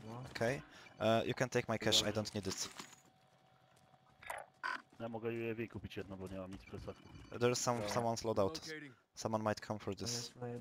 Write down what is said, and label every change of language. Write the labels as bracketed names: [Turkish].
[English] Okay, you can take my cash, I don't need it. [Polish] Ja mogę UAV kupić jedno, bo nie mam nic przez to. [English] There's someone's loadout. Someone might come for this.